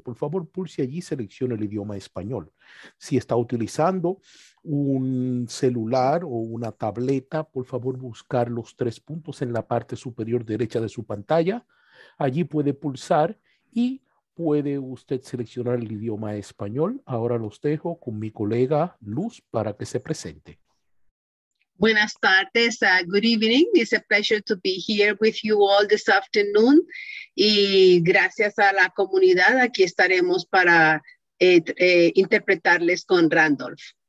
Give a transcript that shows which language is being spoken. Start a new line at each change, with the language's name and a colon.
Spanish: Por favor, pulse allí y seleccione el idioma español. Si está utilizando un celular o una tableta, por favor, buscar los tres puntos en la parte superior derecha de su pantalla. Allí puede pulsar y puede usted seleccionar el idioma español. Ahora los dejo con mi colega Luz para que se presente. Buenas tardes.
English: Good evening. It's a pleasure to be here with you all this afternoon.
Spanish: Y gracias a la comunidad, aquí estaremos para interpretarles con Randolph.